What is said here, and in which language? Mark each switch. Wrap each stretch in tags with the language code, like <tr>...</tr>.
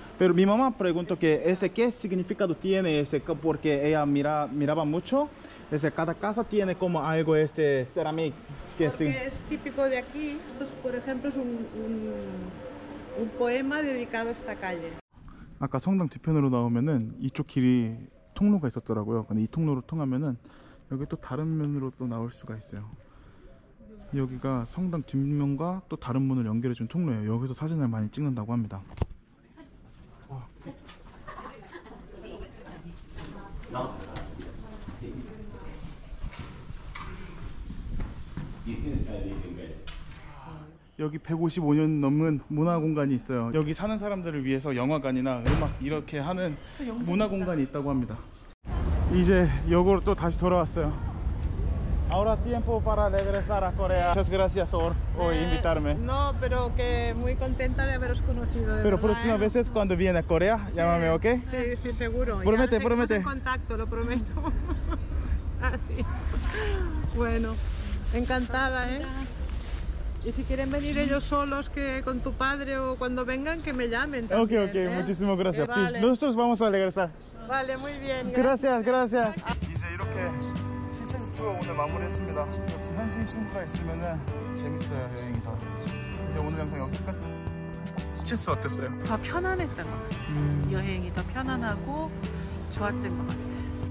<es>Pero mi mamá preguntó que ese qué significado tiene ese, porque ella miraba mucho. Ese cada casa tiene como algo este cerámica. Porque sí. Es típico de aquí. Esto, es, por ejemplo, es un poema dedicado a esta calle.</es> <ko>아까 성당 뒤편으로 나오면은 이쪽 길이 통로가 있었더라고요. 근데 이 통로로 통하면은 여기 또 다른 면으로 또 나올 수가 있어요. 여기가 성당 뒷면과 또 다른 문을 연결해 준 통로예요. 여기서 사진을 많이 찍는다고 합니다. 여기 155년 넘은 문화 공간이 있어요. 여기 사는 사람들을 위해서 영화관이나 음악 이렇게 하는 문화 공간이 있다고 합니다. 이제 역으로 또 다시 돌아왔어요.</ko> <es>Ahora tiempo para regresar a Corea. Muchas gracias por invitarme. No, pero que muy contenta de haberos conocido. Pero próximas veces cuando viene a Corea, sí, llámame, ¿ok? Sí, sí, seguro. Promete, ya promete. En contacto, lo prometo. Así. Bueno, encantada, ¿eh? Y si quieren venir ellos solos, que con tu padre o cuando vengan, que me llamen también. Ok, ok, ¿eh? Muchísimas gracias. Vale. Sí, nosotros vamos a regresar. Vale, muy bien. Gracias, gracias. Gracias.</es> <ko>이렇게 시체즈 투어 오늘 마무리했습니다. 역시 현지인 친구가 있으면 재밌어요, 여행이다. 이제 오늘 영상 여기서 끝. 시체즈 어땠어요? 더 편안했던 것 같아요. 여행이 더 편안하고 좋았던 것 같아요.</ko>